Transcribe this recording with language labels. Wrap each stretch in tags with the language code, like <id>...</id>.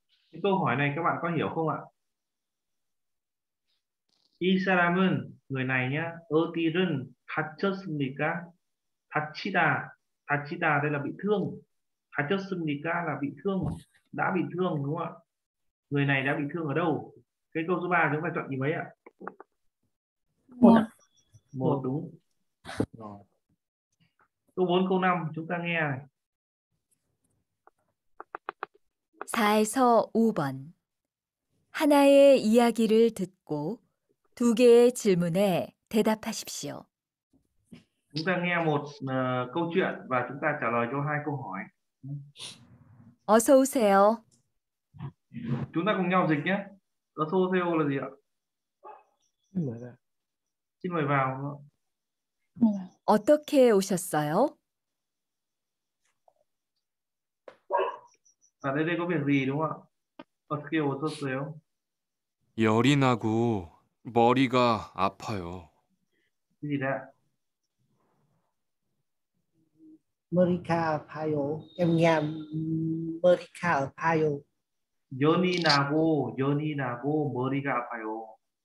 <vi>이 câu hỏi này các bạn có hiểu không ạ?</vi> <ko>이 사람은</ko> <vi>người này nhá,</vi> <ko>어디를 다쳤습니까?</ko> <vi>다치다, 다치다 đây là bị thương. 다쳤습니까 là bị thương, đã bị thương đúng không ạ? Người này đã bị thương ở đâu? Cái câu số 3 chúng ta chọn gì mấy ạ? 1 đúng. Câu 4, câu 5 chúng ta nghe.</vi> <ko>4에서 5번 하나의 이야기를 듣고 두 개의 질문에 대답하십시오.</ko> <vi>Chúng ta nghe một câu chuyện và chúng ta trả lời cho hai câu hỏi.</vi> <ko>어서 오세요.</ko> <vi>Chúng ta cùng nhau dịch nhé.</vi> <ko>어서 오세요</ko> <vi>là gì ạ? Xin mời vào.</vi> <ko>어떻게 오셨어요?</ko> <vi>À đây đây có việc gì đúng không ạ?</vi> <ko>어떻게 오셨어요? 열이 나고 머리가 아파요. 이 네. 머리가 아파요. 엠냠 머리가 아파요. 열이 나고 열이 나고 머리가 아파요.</ko>